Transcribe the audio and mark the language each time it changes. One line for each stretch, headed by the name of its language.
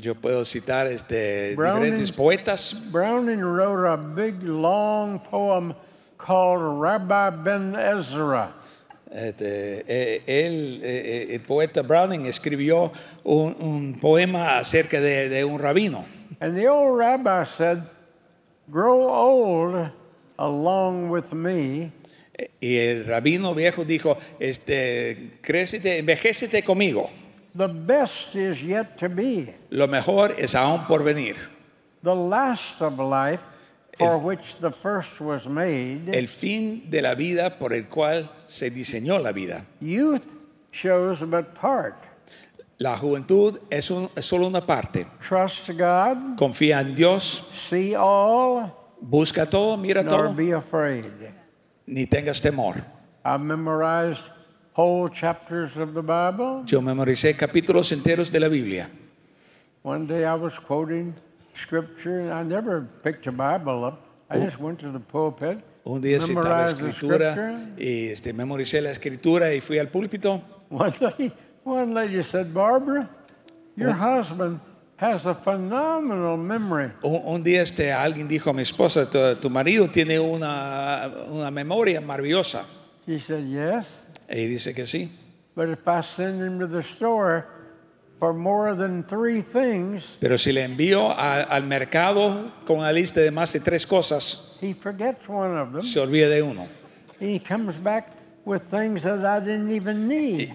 Spanish: Yo puedo citar diferentes poetas.
English: Browning wrote a big, long poem called Rabbi Ben Ezra.
Spanish: El poeta Browning escribió un poema acerca de un rabino.
English: And the old rabbi said, "Grow old along with me."
Spanish: Y el rabino viejo dijo, crécete, envejécete conmigo.
English: The best is yet to be.
Spanish: Lo mejor es aún por venir.
English: The last of life for which the first was made.
Spanish: El fin de la vida por el cual se diseñó la vida.
English: Youth shows but part.
Spanish: La juventud es solo una parte.
English: Trust God.
Spanish: Confía en Dios.
English: See all.
Spanish: Busca todo, mira todo.
English: Nor be afraid.
Spanish: Ni tengas temor.
English: I memorized whole chapters of the Bible.
Spanish: Yo memoricé capítulos enteros de la Biblia.
English: One day I was quoting scripture and I never picked a Bible up. I just went to the pulpit.
Spanish: Un día
English: memorized
Spanish: citaba escritura y memoricé la escritura y fui al púlpito.
English: One lady said, Barbara, your husband has a phenomenal memory.
Spanish: Un día alguien dijo a mi esposa, tu marido tiene una memoria maravillosa.
English: He said yes.
Spanish: Y dice que sí.
English: But if I send him to the store for more than 3 things,
Spanish: pero si le envío al mercado con una lista de más de 3 cosas,
English: he forgets one of them.
Spanish: Se olvida de uno.
English: He comes back with things that I didn't even need.